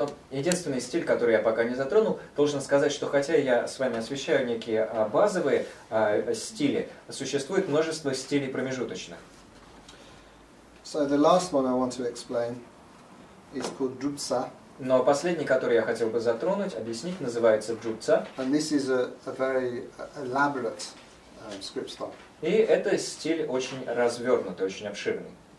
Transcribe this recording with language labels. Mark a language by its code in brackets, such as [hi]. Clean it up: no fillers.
[ru] единственный стиль, который я пока не затронул, должен сказать, что хотя я с вами освещаю некие базовые стили, существует множество стилей промежуточных. [en] So the last one I want to explain is called Drupsa. [ru] Но последний, который я хотел бы затронуть, объяснить, называется Drupsa. [en] And this is a very elaborate script style. [ru] И это стиль очень развернутый, очень обширный.